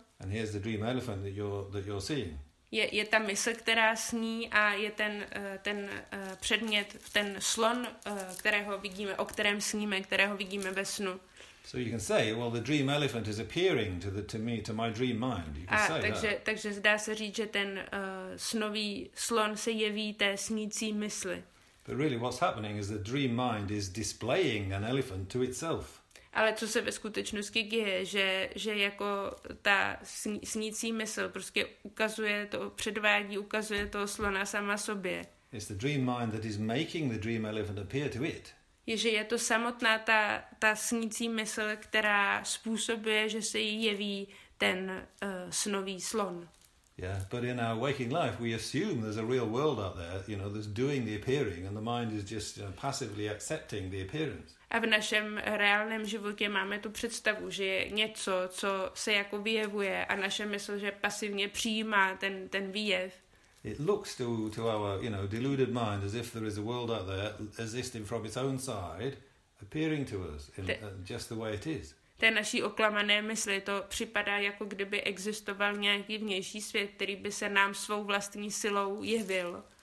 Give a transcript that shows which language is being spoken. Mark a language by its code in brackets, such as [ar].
[en] And here's the dream elephant that you're seeing. [cs] je ta mysl, která sní, a je ten předmět, ten slon, kterého vidíme, o kterém sníme, kterého vidíme ve snu. [en] So you can say, well, the dream elephant is appearing to my dream mind. You can say [cs] takže zdá se říct, že ten snový slon se jeví té snící mysli. [en] But really what's happening is the dream mind is displaying an elephant to itself. [cs] Ale co se ve skutečnosti děje, že jako ta snící mysl prostě ukazuje to, předvádí, ukazuje toho slona sama sobě. [en] It's the dream mind that is making the dream elephant appear to it. [cs] Je, že je to samotná ta snící mysl, která způsobuje, že se jí jeví ten snový slon. [en] Yeah, but in our waking life we assume there's a real world out there, you know, that's doing the appearing and the mind is just, you know, passively accepting the appearance. [cs] A v našem reálném životě máme tu představu, že je něco, co se jako vyjevuje, a naše mysl, že pasivně přijímá ten výjev. [en] It looks to our, you know, deluded mind as if there is a world out there existing from its own side, appearing to us in just the way it is. [cs] Té naší oklamané mysli to připadá, jako kdyby existoval nějaký vnější svět, který by se nám svou vlastní silou jevil.